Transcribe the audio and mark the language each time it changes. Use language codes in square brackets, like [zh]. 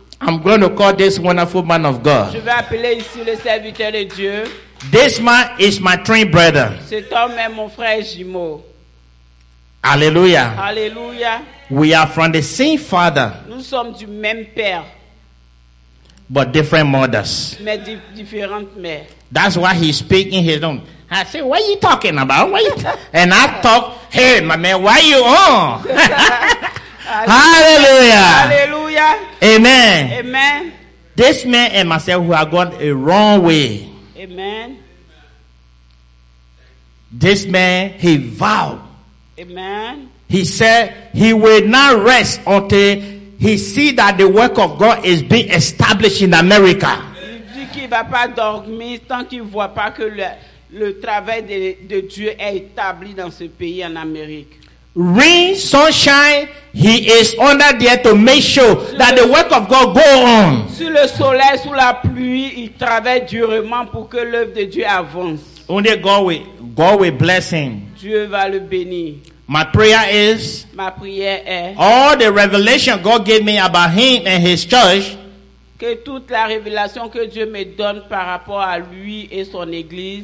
[en] I'm going to call this wonderful man of God. [fr] Je vais appeler ici le serviteur de Dieu. [en] This man is my twin brother. [fr] Cet homme est mon frère jumeau. Hallelujah. Hallelujah. [en] We are from the same father. [fr] Nous sommes du même père. [en] But different mothers. [fr] Mais différentes mères. [en] That's why he speaks in his own. I say, what are you talking about? And I talk, hey, my man, why are you on? Hallelujah. Hallelujah. Amen. Amen. This man and myself, we are going a wrong way. Amen. This man, he vowed. Amen. He said he will not rest until he see that the work of God is being established in America. [fr] Il dit qu'il va pas dormir tant qu'il voit pas que le travail de Dieu est établi dans ce pays en Amérique. [en] Rain, sunshine, he is under there to make sure that the work of God go on. [fr] Sous le soleil, sous la pluie, il travaille durement pour que l'œuvre de Dieu avance. [en] Only God will bless him. [fr] Dieu va le bénir. [en] My prayer is. [fr] Ma prière est. [en] All the revelation God gave me about him and his church. [fr] Que toute la révélation que Dieu me donne par rapport à lui et son église.